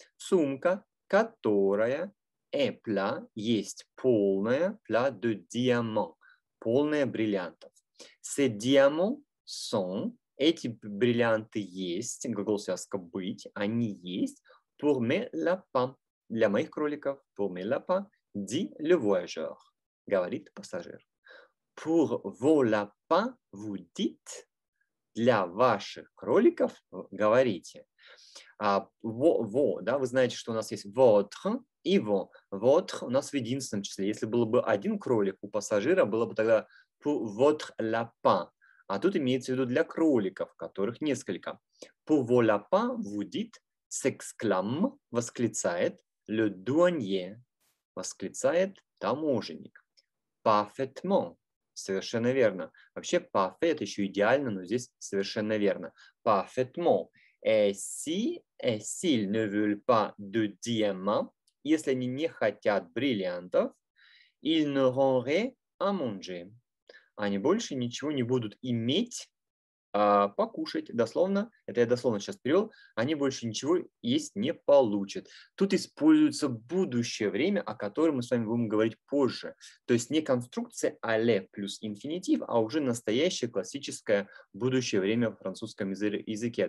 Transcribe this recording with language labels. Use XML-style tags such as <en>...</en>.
<ru>Сумка, которая эпля, есть полная, пля де диамон, полная бриллиантов. Се диамон сон, эти бриллианты есть, глагол связка быть, они есть,</ru> <fr>pour mes lapins,</fr> <ru>для моих кроликов,</ru> <fr>pour mes lapins, dit le voyageur,</fr> <ru>говорит пассажир.</ru> <fr>Pour vos lapins, vous dites,</fr> <ru>для ваших кроликов говорите. Да, вы знаете, что у нас есть votre и во. Votre у нас в единственном числе. Если было бы один кролик у пассажира, было бы тогда</ru> <fr>pour votre lapin.</fr> <ru>А тут имеется в виду для кроликов, которых несколько.</ru> <fr>Pour vos lapins, vous dites, s'exclame,</fr> <ru>восклицает,</ru> <fr>le douanier,</fr> <ru>восклицает таможенник. Parfaitement. Совершенно верно. Вообще, parfait еще идеально, но здесь совершенно верно.</ru> <fr>Parfaitement. Si ils ne veulent pas de diamants,</fr> <ru>если они не хотят бриллиантов,</ru> <fr>ils n'auront rien à manger.</fr> <ru>Они больше ничего не будут иметь покушать, дословно, это я дословно сейчас перевел, они больше ничего есть не получат. Тут используется будущее время, о котором мы с вами будем говорить позже. То есть не конструкция «але» плюс инфинитив, а уже настоящее классическое будущее время в французском языке.</ru>